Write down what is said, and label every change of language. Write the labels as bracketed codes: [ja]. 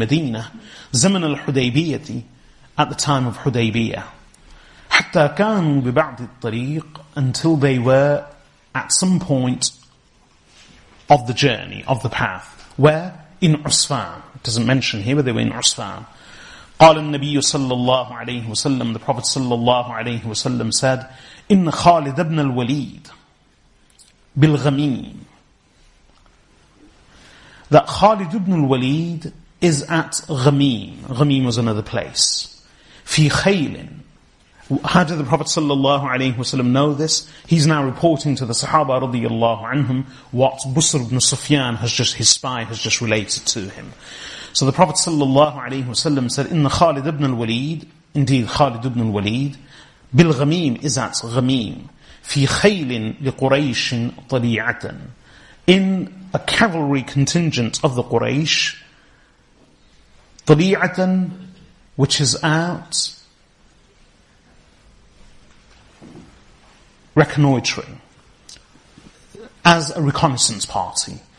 [en] Medina, [ar] زمن الحديبية, [en] at the time of Hudaybiyah. [ar] حتى كانوا ببعض الطريق, [en] until they were at some point of the journey, of the path. Where? In Usfan. It doesn't mention here, but they were in Usfan. [ar] قال النبي صلى الله عليه وسلم, [en] the Prophet [ar] صلى الله عليه وسلم [en] said, [ar] إن خالد بن الوليد بالغميم, [en] that [ar] خالد بن الوليد [en] is at [ar] غميم. [en] غميم was another place. [ar] في خيل. [en] How did the Prophet صلى الله عليه وسلم know this? He's now reporting to the Sahaba رضي الله عنهم what Busr ibn Sufyan his spy has just related to him. So the Prophet sallallahu alaihi wasallam said, [ar] "Inna Khalid ibn al-Walid, [en] indeed Khalid ibn al-Walid, [ar] bil Ghamim [en] is at Ghamim, [ar] fi khaylin li Quraysh tali'atan, [en] in a cavalry contingent of the Quraysh, [ar] tali'atan, [en] which is out reconnoitering as a reconnaissance party."